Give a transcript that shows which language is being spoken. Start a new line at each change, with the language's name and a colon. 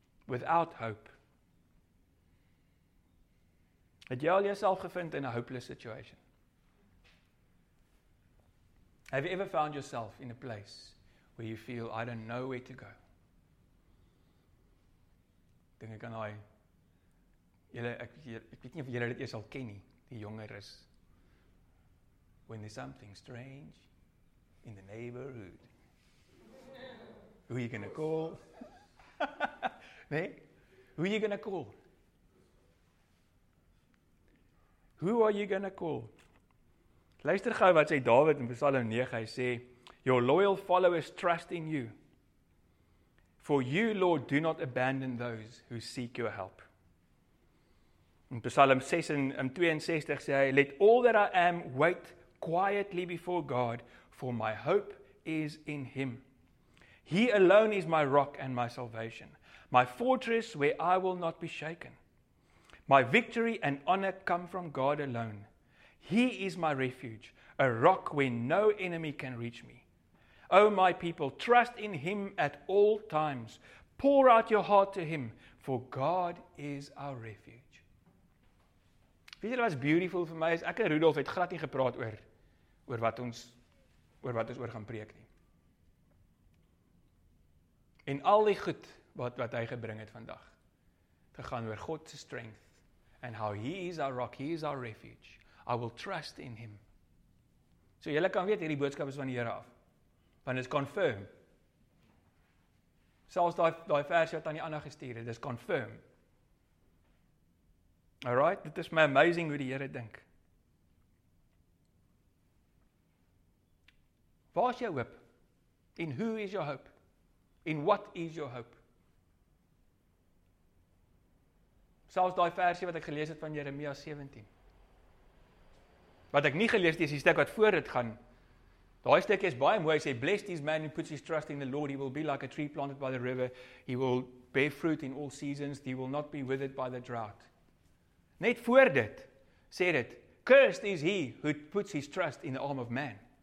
English: Without hope.
Afrikaans: Het jy al jouself gevind in
English: a hopeless situation? Have you ever found yourself in a place where you feel, I don't know where to go?
Afrikaans: Dink ek aan hy, ek weet nie of jy dit eers al ken nie, die jonger is.
English: When there's something strange in the neighborhood, who are you going to call? Nee? Who are you going to call? Who are you going to call?
Afrikaans: Luister gauw wat sê David in Psalm 9, hy sê,
English: "Your loyal followers trust in you. For you, Lord, do not abandon those who seek your help." In Psalm 6 and 62
Afrikaans: sê hy,
English: "Let all that I am wait quietly before God, for my hope is in him. He alone is my rock and my salvation, my fortress where I will not be shaken. My victory and honor come from God alone. He is my refuge, a rock where no enemy can reach me. Oh, my people, trust in him at all times. Pour out your heart to him, for God is our refuge."
Afrikaans: Weet julle wat is beautiful vir my is, ek en Rudolf het glad nie gepraat oor wat ons gaan preek nie. En al die goed wat hy gebring het vandag, gegaan oor
English: God's strength, and how he is our rock, he is our refuge. I will trust in him.
Afrikaans: So julle kan weet, hierdie boodskap is van die Here af. Want
English: it's confirmed.
Afrikaans: Selfs die versie wat aan die ander gestuur het,
English: it's confirmed.
Afrikaans: Alright, dit is my amazing hoe die Here dink. Waar is jou hoop?
English: In who is your hope? In what is your hope?
Afrikaans: Selfs die versie wat ek gelees het van Jeremia 17. Wat ek nie gelees het, is die stuk wat voor dit gaan. Daai stuk is baie mooi, hy sê,
English: "Blessed is man who puts his trust in the Lord. He will be like a tree planted by the river. He will bear fruit in all seasons. He will not be withered by the drought."
Afrikaans: Net voor dit, sê dit,
English: "Cursed is he who puts his trust in the arm of man.